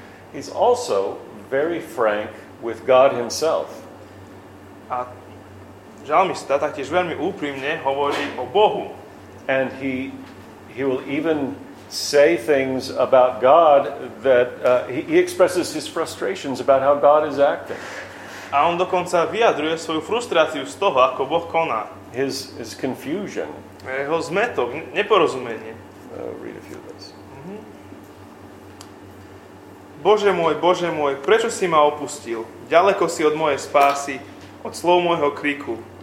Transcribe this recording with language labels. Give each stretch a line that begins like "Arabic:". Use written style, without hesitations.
English: He's also very frank with God himself.
Slovak: A žalmista taktiež veľmi úprimne hovorí o Bohu.
English: And he will even say things about God that he expresses his frustrations about how God is acting.
Slovak: A on dokonca vyjadruje svoju frustráciu z toho, ako Boh koná.
English: His confusion.
Slovak: Jeho zmetok, neporozumenie.
English: Read a few words.
Slovak: Bože môj, prečo si ma opustil? Ďaleko si od mojej spásy, od slov môjho kriku.